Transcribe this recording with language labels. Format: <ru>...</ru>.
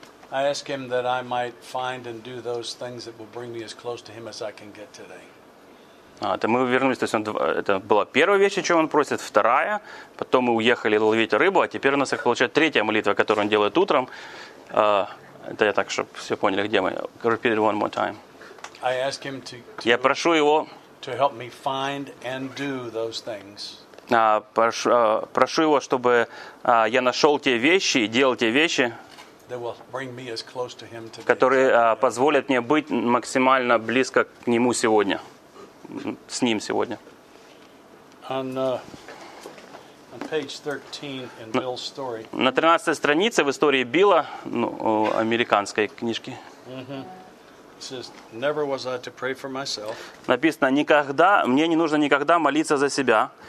<en>I ask him that I might find and do those things that will bring me as close to him as I can get today.</en> <ru>Это мы вернулись, то есть это была первая вещь, о чем он просит, вторая, потом мы уехали ловить рыбу, а теперь у нас, как получается, третья молитва, которую он делает утром. Это я так, чтобы все поняли, где мы.</ru> <en>Repeat it one more time. I ask him to,</en> <ru>я прошу его</ru> <en>to help me find and do those things.</en> <ru>Прошу его, чтобы я нашел те вещи и делал те вещи,</ru> <en>that will bring me as close to him today.</en> <ru>Которые позволят мне быть максимально близко к нему сегодня. С ним сегодня.</ru> <en>On page 13 in Bill's story.</en> <ru>На 13 странице в истории Билла, ну, американской книжки.</ru> <en>It says, never was I to pray for myself.</en> <ru>Написано, никогда, мне не нужно никогда молиться за себя.</ru>